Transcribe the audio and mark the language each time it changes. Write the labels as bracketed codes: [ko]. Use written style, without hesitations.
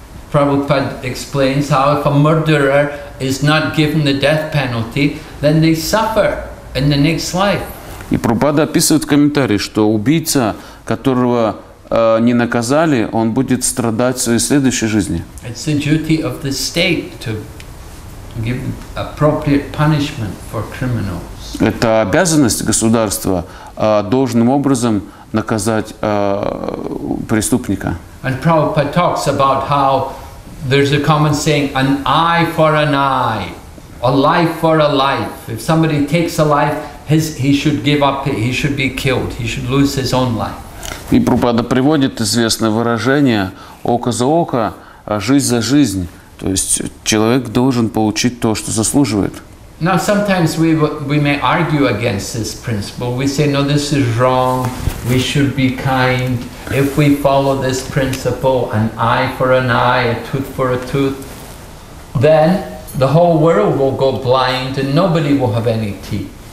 [en] Prabhupada explains how if a murderer is not given the death penalty, then they suffer in the next life. [ru] И Прабхупада описывает в комментарии, что убийца, которого не наказали, он будет страдать в своей следующей жизни. [en] It's the duty of the state to give appropriate punishment for criminals. [ru] Это обязанность государства должным образом наказать преступника. [en] And Prabhupada talks about how there's a common saying, an eye for an eye, a life for a life. If somebody takes a life, he should give up it, he should be killed, he should lose his own life. [ru] И Прабхупада приводит известное выражение «око за око, а жизнь за жизнь». То есть человек должен получить то, что заслуживает. [en] Now sometimes we may argue against this principle. We say, no, this is wrong, we should be kind. If we follow this principle, an eye for an eye, a tooth for a tooth, then the whole world will go blind and nobody will have any teeth.